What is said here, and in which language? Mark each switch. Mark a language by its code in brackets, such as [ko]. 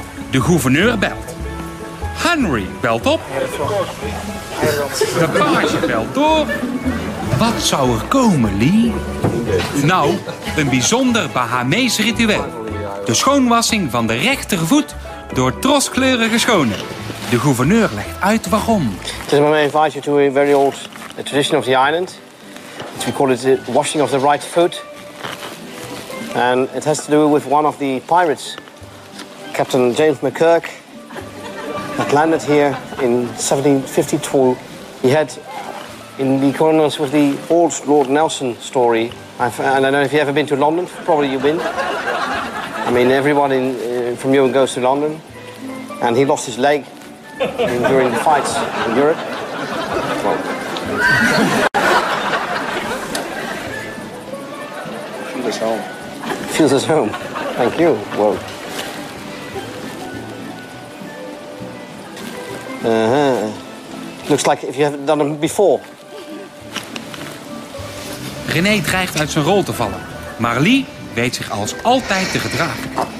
[nl] De gouverneur belt. Henry belt op. De page belt door. Wat zou er komen, Lee? Nou, een bijzonder Bahamees ritueel. De schoonwassing van de rechtervoet door troskleurige schoenen. De gouverneur legt uit waarom. Het is mijn [en] invite to a very old tradition of the island. We call it the washing of the right foot. And it has to do with one of the pirates, Captain James McKirk, that landed here in 1752. He had, in the correspondence with the old Lord Nelson story, and I don't know if you've ever been to London, probably you've been. I mean, everyone from Europe goes to London, and he lost his leg during the fights in Europe. Well. Feel his home. Feels his home. Thank you. Whoa. Looks like if you haven't done it before. [nl] René dreigt uit zijn rol te vallen. Maar Lee weet zich als altijd te gedragen.